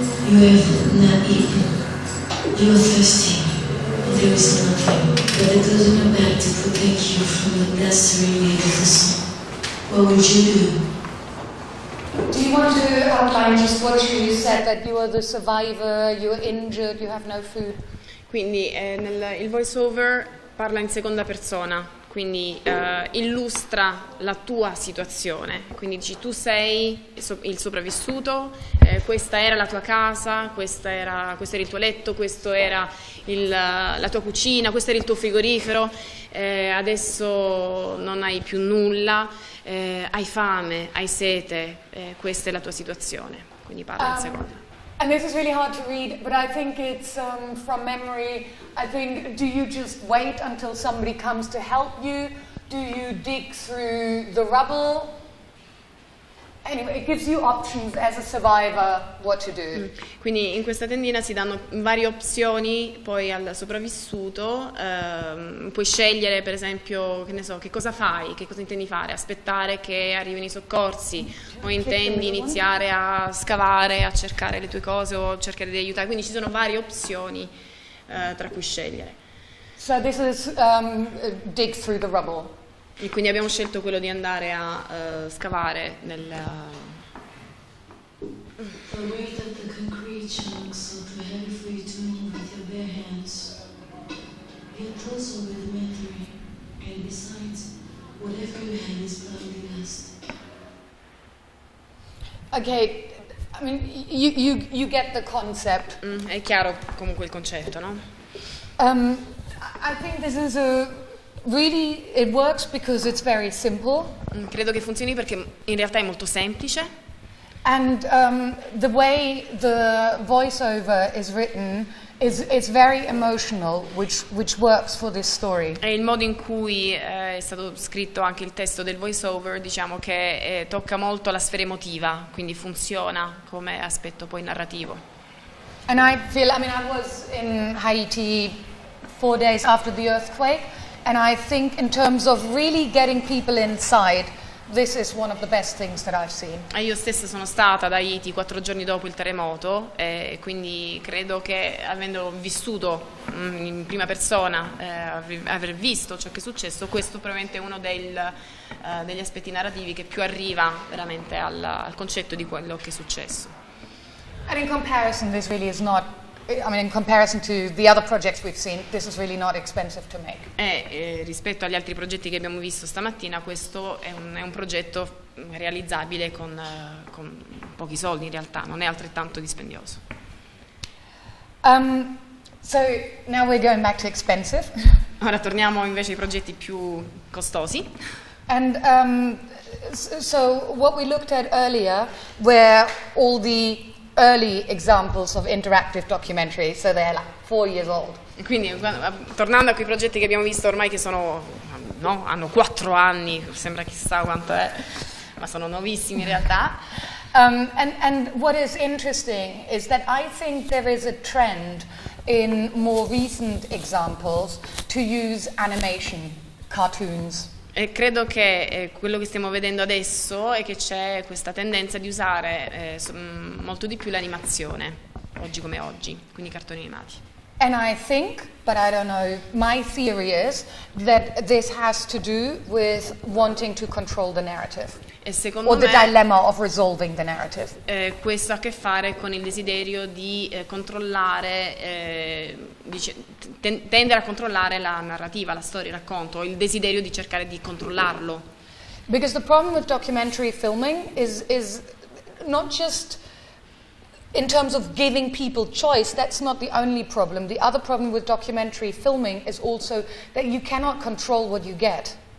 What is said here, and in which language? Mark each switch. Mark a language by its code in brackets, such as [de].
[en] You have not eaten. You are thirsty. There is nothing but a clothes in your bag to protect you from the blistering heat of the sun. What would you do? Do you want to outline just what you said, that you are the survivor, you're injured, you have no food? [it] Quindi, il voiceover parla in seconda persona, quindi illustra la tua situazione. Quindi dici, tu sei il sopravvissuto, questa era la tua casa, questo era il tuo letto, questa era la tua cucina, questo era il tuo frigorifero, adesso non hai più nulla, hai fame, hai sete, questa è la tua situazione. Quindi parla in seconda. [en] And this is really hard to read, but I think it's from memory. I think, do you just wait until somebody comes to help you? Do you dig through the rubble? Anyway, it gives you options as a survivor what to do. [it] Quindi in questa tendina si danno varie opzioni poi al sopravvissuto. Puoi scegliere, per esempio, che ne so, che cosa fai, che cosa intendi fare, aspettare che arrivino i soccorsi, o intendi iniziare a scavare, a cercare le tue cose o cercare di aiutare. Quindi ci sono varie opzioni tra cui scegliere. [en] So this is dig through the rubble. [it] E quindi abbiamo scelto quello di andare a scavare nel [en] the concrete chunks of the heavy free tuning with your bare hands. Your toes are rudimentary, and besides, whatever you have is probably dust. Okay, I mean you get the concept. [it] È chiaro comunque il concetto, no? [en] I think this is a really, it works because it's very simple. [it] Credo che funzioni perché in realtà è molto semplice. [en] And the way the voiceover is written It's very emotional, which works for this story. [it] E il modo in cui è stato scritto anche il testo del voiceover, diciamo che tocca molto la sfera emotiva, quindi funziona come aspetto poi narrativo. [en] And I feel, I mean, I was in Haiti 4 days after the earthquake, and I think in terms of really getting people inside, this is one of the best things that I've seen. [it] E io stessa sono stata ad Haiti 4 giorni dopo il terremoto, e quindi credo che avendo vissuto in prima persona, aver visto ciò che è successo, questo probabilmente è uno degli aspetti narrativi che più arriva veramente al concetto di quello che è successo. [en] And in comparison, this really is not. I mean, in comparison to the other projects we've seen, this is really not expensive to make. [it] Rispetto agli altri progetti che abbiamo visto stamattina, questo è un progetto realizzabile con pochi soldi. In realtà, non è altrettanto dispendioso. [en] So now we're going back to expensive. [it] Ora torniamo invece ai progetti più costosi. [en] And so what we looked at earlier were all the early examples of interactive documentary, so they're like 4 years old. [it] Quindi, tornando a quei progetti che abbiamo visto ormai che sono, no, hanno 4 anni, sembra chissà quanto è, ma sono nuovissimi in realtà. [en] And what is interesting is that I think there is a trend in more recent examples to use animation, cartoons. [it] E credo che quello che stiamo vedendo adesso è che c'è questa tendenza di usare molto di più l'animazione, oggi come oggi, quindi cartoni animati. [en] And I think, but I don't know, my theory is that this has to do with wanting to control the narrative. [it] E secondo [en] or [it] me, [en] the dilemma of resolving the narrative. [it] Questo ha a che fare con il desiderio di controllare, tendere a controllare la narrativa, la storia, il racconto, il desiderio di cercare di controllarlo. [en] Because the problem with documentary filming is not just in terms of giving people choice, that's not the only problem. The other problem with documentary filming is also that you cannot control what you get.